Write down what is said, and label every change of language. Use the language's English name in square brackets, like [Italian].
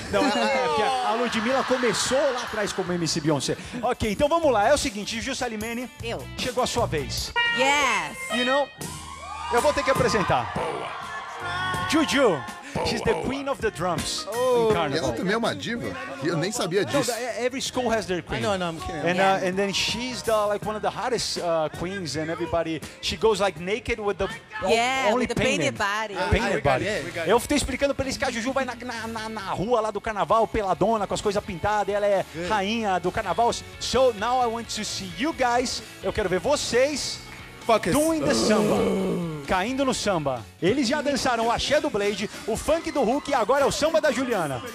[Portuguese] Não, a Ludmilla começou lá atrás como MC Beyoncé. Ok, então vamos lá. É o seguinte, Jussalimene. Eu. Chegou a sua vez. [English] Yes. You know? [Portuguese] Eu vou ter que apresentar. Boa. [English] Juju. She's the queen of the drums. Oh, in Carnival. [Portuguese] Ela também é uma diva. Eu nem sabia disso. [English] No, every school has their queen. I know, I know. I'm kidding. And, yeah. And then she's the, like, one of the hottest queens, and everybody. She goes like naked with the. Yeah, only with the painted body. Painted body. [Portuguese] Eu fiquei explicando pra eles que a Juju vai na rua lá do carnaval, peladona, com as coisas pintadas, e ela é rainha do carnaval. [English] So now I want to see you guys. [Portuguese] Eu quero ver vocês. [English] Doing the samba. [Portuguese] Caindo no samba. Eles já dançaram o axé do Blade, o funk do Hulk e agora é o samba da Juliana.